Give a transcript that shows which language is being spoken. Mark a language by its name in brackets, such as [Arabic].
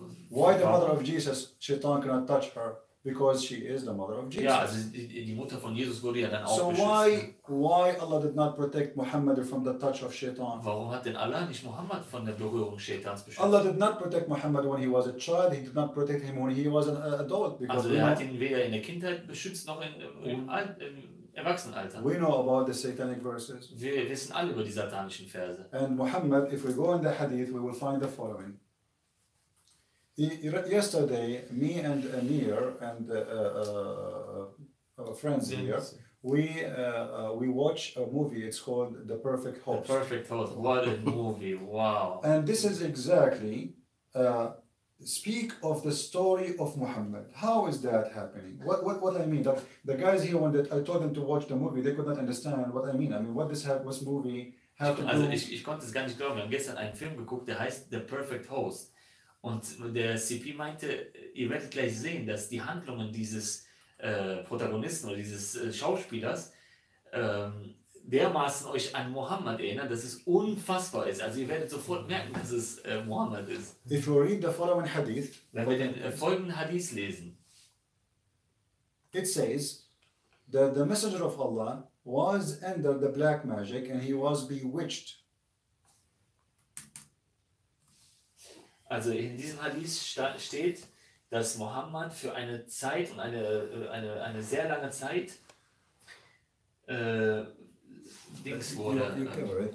[English] Why the mother of Jesus, Shaitan cannot touch her? Because she is the mother of Jesus. [German] Ja, also die Mutter von Jesus wurde ja dann auch so beschützt. [English] Why Allah did not protect Muhammad from the touch of Shaitan? [German] Warum hat denn Allah nicht Muhammad von der Berührung Shaitans beschützt? [English] Allah did not protect Muhammad when he was a child. He did not protect him when he was an adult. [German] Also er hat ihn weder in der Kindheit beschützt noch im Erwachsenenalter. [English] We know about the satanic verses. [German] Wir wissen alle über die satanischen Verse. [English] And Muhammad, if we go in the hadith, we will find the following. Yesterday, me and Amir and our friends here, we watch a movie. It's called The Perfect Host. The Perfect Host. What a movie! Wow. And this is exactly speak of the story of Muhammad. How is that happening? What I mean? The guys here, when I told them to watch the movie, they could not understand what I mean. I mean, what movie have to do? [German] Also ich konnte es gar nicht glauben. Wir haben gestern einen Film geguckt, der heißt The Perfect Host. Und der CP meinte, ihr werdet gleich sehen, dass die Handlungen dieses Protagonisten oder dieses Schauspielers dermaßen euch an Muhammad erinnern, dass es unfassbar ist. Also ihr werdet sofort merken, dass es Muhammad ist. [English] If we read the following hadith, [German] wenn wir den folgenden Hadith lesen. [English] It says that the messenger of Allah was under the black magic and he was bewitched. [German] Also in diesem Hadith steht, dass Muhammad für eine Zeit und eine sehr lange Zeit Dings wurde.